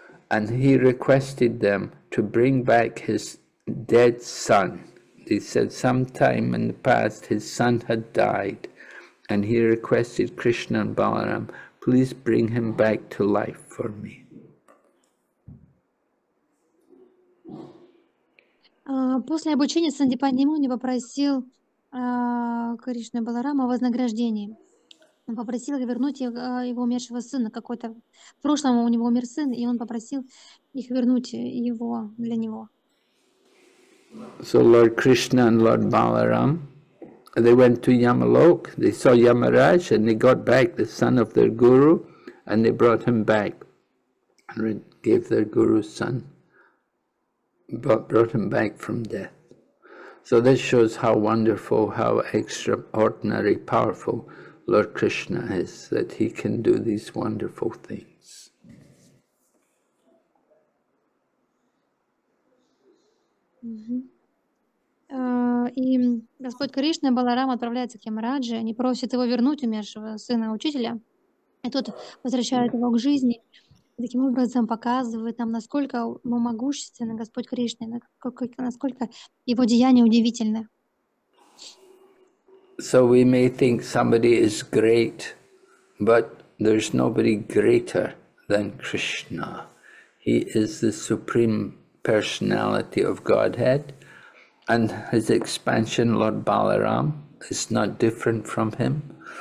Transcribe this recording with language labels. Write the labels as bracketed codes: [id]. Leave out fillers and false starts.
[en] And he requested them to bring back his dead son. He said sometime in the past his son had died, and he requested Krishna and Balaram, please bring him back to life for me. [ru] После обучения Сандипани Муни попросил Кришну Баларама о вознаграждении. Он попросил вернуть его умершего сына. Какой-то в прошлом у него умер сын, и он попросил их вернуть его для него. [en] So Lord Krishna and Lord Balaram, they went to Yamalok, they saw Yamaraj, and they got back the son of their guru, and they brought him back and gave their guru's son, but brought him back from death. So this shows how wonderful, how extraordinary, powerful Lord Krishna is, that he can do these wonderful things. [ru] И Господь Кришна и Баларам отправляется к Ямараджи, они просят его вернуть умершего сына учителя, и тот возвращает его к жизни, и таким образом показывает нам, насколько могущественен Господь Кришна, насколько его деяния удивительны. [en] So we may think somebody is great, but there's nobody greater than Krishna. He is the supreme personality of Godhead. And his expansion, Lord Balaram, is not different from him.